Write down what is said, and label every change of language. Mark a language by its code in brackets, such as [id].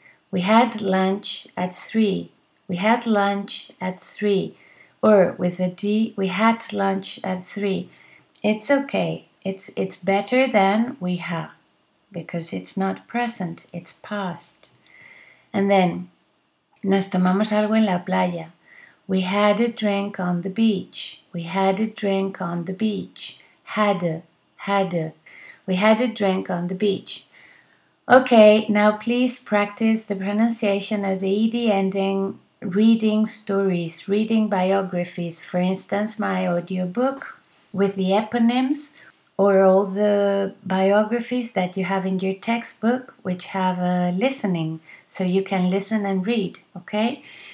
[en] We had lunch at 3. We had lunch at 3. Or with a D, we had lunch at 3. It's okay. It's better than we have, because it's not present, it's past. And then, [es] nos tomamos algo en la playa. [en] We had a drink on the beach. We had a drink on the beach. Had a. We had a drink on the beach. Okay, now please practice the pronunciation of the ED ending. Reading stories, reading biographies, for instance, my audiobook with the eponyms, or all the biographies that you have in your textbook, which have a listening, so you can listen and read, okay?